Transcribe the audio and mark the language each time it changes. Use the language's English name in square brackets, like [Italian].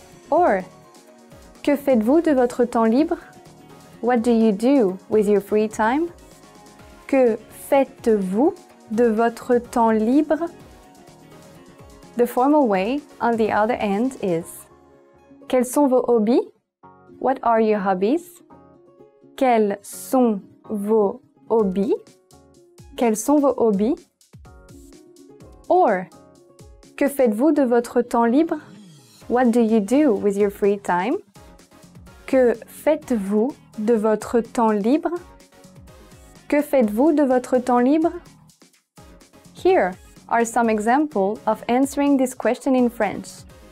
[French] Or Que faites-vous de votre temps libre? [English] What do you do with your free time? [French] Que faites-vous de votre temps libre? [English] The formal way, on the other hand, is [French] Quels sont vos hobbies? [English] What are your hobbies? [French] Quels sont vos hobbies? Quels sont vos hobbies? Or, que faites-vous de votre temps libre? [English] What do you do with your free time? [French] Que faites-vous de votre temps libre? Que faites-vous de votre temps libre? [English] Here are some examples of answering this question in French.